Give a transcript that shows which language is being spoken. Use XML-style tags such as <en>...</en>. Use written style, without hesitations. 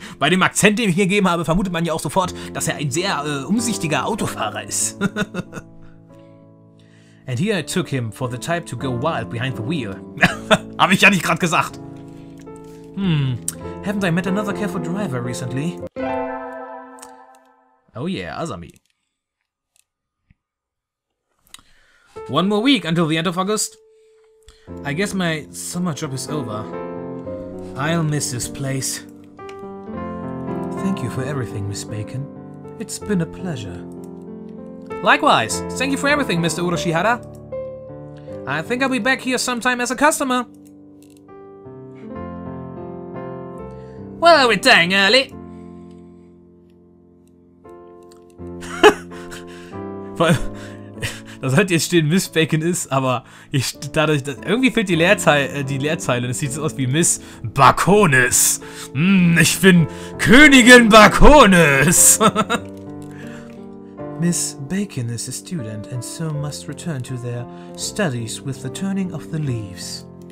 <de>Bei dem Akzent, den ich hier gegeben habe, vermutet man ja auch sofort, dass er ein sehr umsichtiger Autofahrer ist.</de> <en>And here I took him for the type to go wild behind the wheel.</en> <de>Hab ich ja nicht gerade gesagt!</de> <en>Haven't I met another careful driver recently? Oh yeah, Azami. One more week until the end of August. I guess my summer job is over. I'll miss this place. Thank you for everything, Miss Bacon. It's been a pleasure. Likewise. Thank you for everything, Mr. Urashihara. I think I'll be back here sometime as a customer. Well, are we dang early?</en> <de>Da sollte jetzt stehen, Miss Bacon ist, aber ich, dadurch, dass, irgendwie fehlt die Leerzeile und es sieht so aus wie Miss Baconis. Ich bin Königin Baconis.</de> <en>Miss Bacon is a student and so must return to their studies with the turning of the leaves.</en>